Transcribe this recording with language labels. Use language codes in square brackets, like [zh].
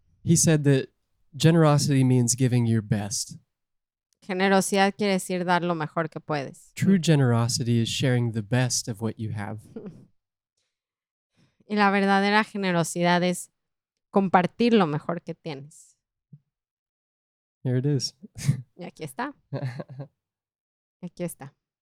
[en] He said that generosity means giving your best. [es] Generosidad quiere decir dar lo mejor que puedes. [en] True generosity is sharing the best of what you have. [es] Y la verdadera generosidad es compartir lo mejor que tienes. [en] Here it is. [es] Y aquí está. Aquí está.